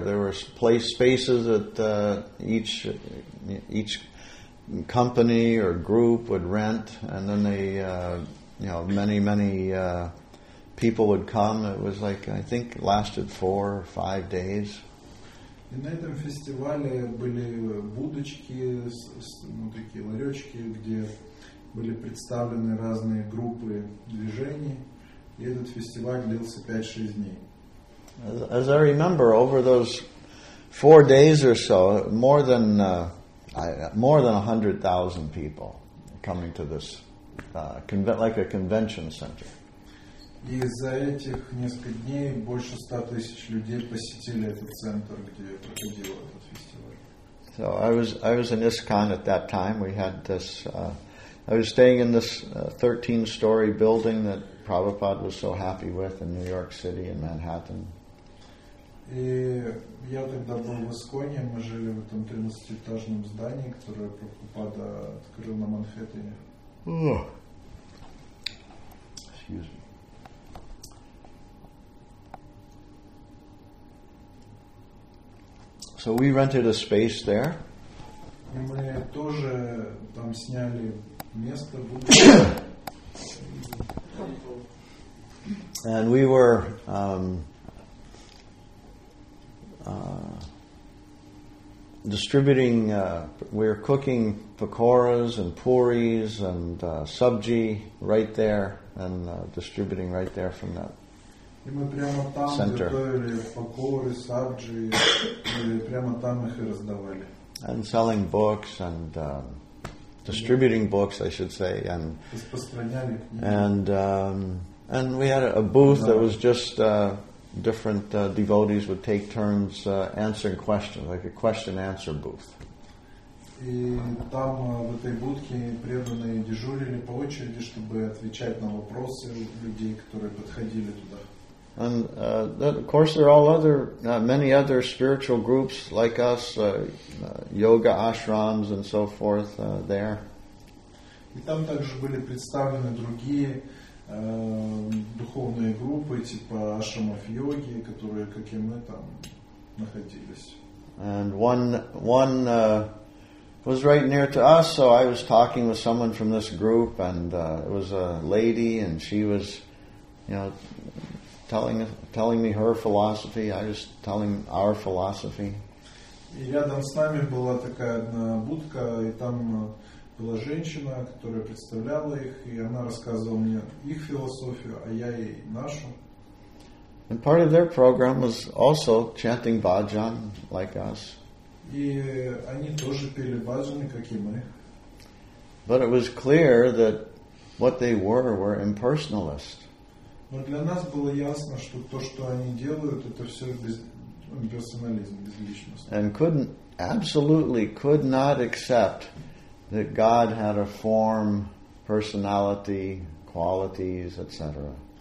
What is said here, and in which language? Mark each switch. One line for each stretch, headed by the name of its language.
English: There were spaces that each company or group would rent, and then they many people would come. It was like, I think, lasted 4 or 5 days.
Russian: И на этом фестивале были будочки, ну такие ларёчки, где были представлены разные группы движений, и этот фестиваль длился 5-6 дней.
English: As I remember, over those 4 days or so, more than 100,000 people coming to this like a convention center.
Russian: И за этих несколько дней больше 100,000 людей посетили этот центр, где проходил этот фестиваль.
English: So I was in ISKCON at that time. We had this. I was staying in this 13-story building that Prabhupada was so happy with in New York City in Manhattan.
Russian: И я тогда был в Исконе, мы жили в этом 13-этажном здании, которое Прабхупада открыл на Манхэттене.
English: Excuse me. So we rented a space there.
Russian: И мы тоже там сняли место.
English: And we were distributing, we were cooking pakoras and puris and sabji right there, and distributing right there from that center.
Russian: Пакоры, сабджи, прямо там их и раздавали.
English: And selling books and distributing books, I should say, and
Russian: распространяли книги.
English: And we had a booth that was just different devotees would take turns answering questions, like a question-answer booth.
Russian: И там в этой будке преданные дежурили по очереди, чтобы отвечать на вопросы людей, которые подходили туда.
English: And that, of course, there are all other many other spiritual groups like us, yoga ashrams and so forth there.
Russian: И там также были представлены другие духовные группы типа ашрамов йоги, которые, как и мы, там находились.
English: And one was right near to us, so I was talking with someone from this group, and it was a lady, and she was, you know, telling me her philosophy. I was telling our philosophy.
Russian: И рядом с нами была такая одна будка, и там была женщина, которая представляла их, и она рассказывала мне их философию, а я ей нашу.
English: And part of their program was also chanting bhajan, like us.
Russian: И они тоже пели бхаджаны, как и мы.
English: But it was clear that what they were impersonalist.
Russian: Но для нас было ясно, что то, что они делают, это все без имперсонализм, без личности.
English: And could not accept that God had a form, personality, qualities, etc.